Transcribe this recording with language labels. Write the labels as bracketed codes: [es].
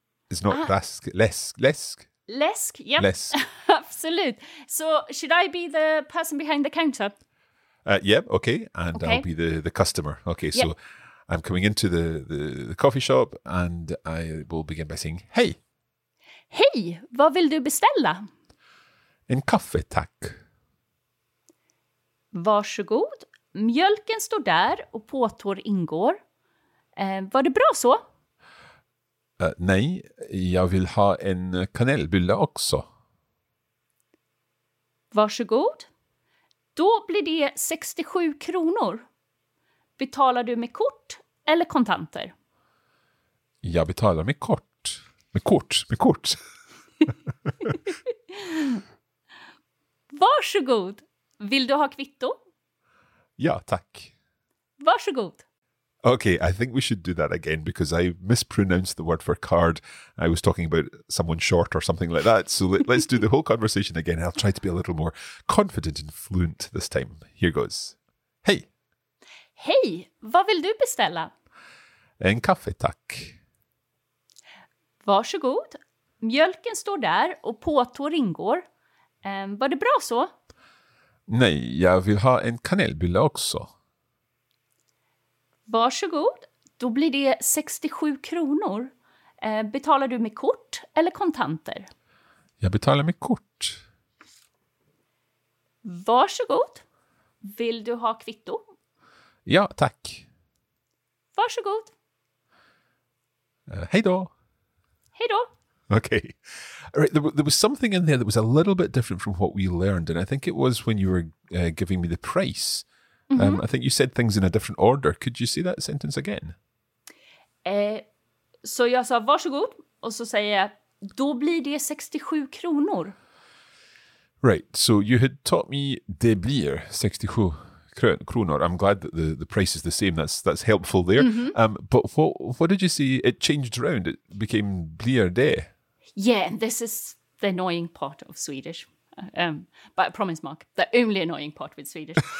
[en] it's not lask, lesk. Lesk, yep. Lesk. Absolute. So should I be the person behind the counter? Yeah, okay. And okay. I'll be the customer. Okay, so yep. I'm coming into the coffee shop and I will begin by saying, hey. [sv] Hej, vad vill du beställa? En kaffe, tack. Varsågod. Mjölken står där och påtår ingår. Var det bra så? Nej, jag vill ha en kanelbulle också. Varsågod. Då blir det 67 kronor. Betalar du med kort eller kontanter? Jag betalar med kort. Med kort. Varsågod. Vill du ha kvitto? Ja, tack. Varsågod. [en] Okay, I think we should do that again because I mispronounced the word for card. I was talking about someone short or something like that. So let's do the whole conversation again. I'll try to be a little more confident and fluent this time. Here goes. Hey. [sv] Hey, vad vill du beställa? En kaffe, tack. Varsågod. Mjölken står där och påtår ingår. Var det bra så? Nej, jag vill ha en kanelbulle också. Varsågod, då blir det 67 kronor. Betalar du med kort eller kontanter? Jag betalar med kort. Varsågod, vill du ha kvitto? Ja, tack. Varsågod. Hej då. Hej då. [en] Okay. All right. There was something in there that was a little bit different from what we learned, and I think it was when you were giving me the price. Mm-hmm. I think you said things in a different order. Could you say that sentence again? [sv] Så jag sa varsågod och så säger jag då blir det 67 kronor. [en] Right. So you had taught me [sv] det blir 67 kronor. [en] I'm glad that the price is the same. That's helpful there. Mm-hmm. But what did you say? It changed around. It became [sv] blir det. [en] Yeah, this is the annoying part of Swedish. But I promise, Mark, the only annoying part with Swedish.